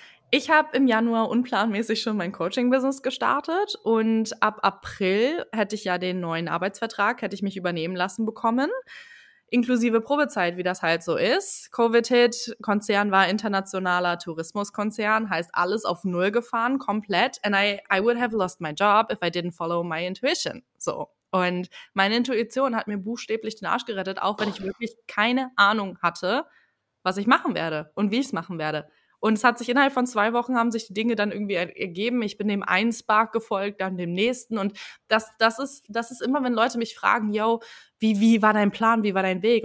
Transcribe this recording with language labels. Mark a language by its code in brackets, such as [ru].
[de] Ich habe im Januar unplanmäßig schon mein Coaching-Business gestartet und ab April hätte ich ja den neuen Arbeitsvertrag, hätte ich mich übernehmen lassen bekommen, inklusive Probezeit, wie das halt so ist. Covid-Hit, Konzern war internationaler Tourismuskonzern, heißt alles auf Null gefahren, komplett. [en] And I would have lost my job if I didn't follow my intuition. So. [de] Und meine Intuition hat mir buchstäblich den Arsch gerettet, auch wenn ich wirklich keine Ahnung hatte, was ich machen werde und wie ich es machen werde. Und es hat sich innerhalb von 2 Wochen haben sich die Dinge dann irgendwie ergeben. Ich bin dem einen Spark gefolgt, dann dem nächsten. Und das ist immer, wenn Leute mich fragen, yo, wie war dein Plan, wie war dein Weg?